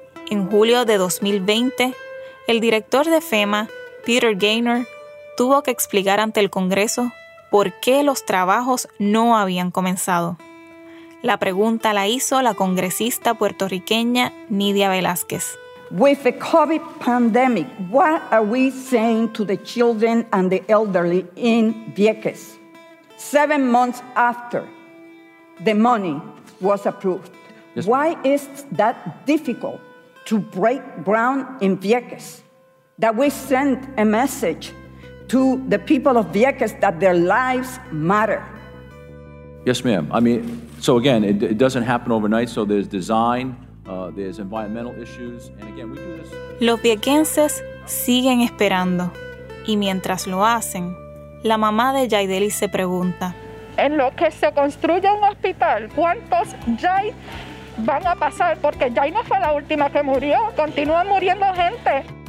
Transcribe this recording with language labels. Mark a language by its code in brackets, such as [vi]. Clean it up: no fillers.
[es] En julio de 2020, el director de FEMA, Peter Gaynor, tuvo que explicar ante el Congreso por qué los trabajos no habían comenzado. La pregunta la hizo la congresista puertorriqueña Nidia Velázquez. [en] With the COVID pandemic, what are we saying to the children and the elderly in Vieques? 7 months after the money was approved, why is that difficult to break ground in Vieques? That we send a message to the people of Vieques that their lives matter. Yes, ma'am. I mean, so again, it doesn't happen overnight. So there's design, there's environmental issues, and again, we do this. [es] Los viequenses siguen esperando, y mientras lo hacen, la mamá de Yaideli se pregunta: en lo que se construye un hospital, ¿cuántos Yai van a pasar? Porque Yai no fue la última que murió. Continúan muriendo gente.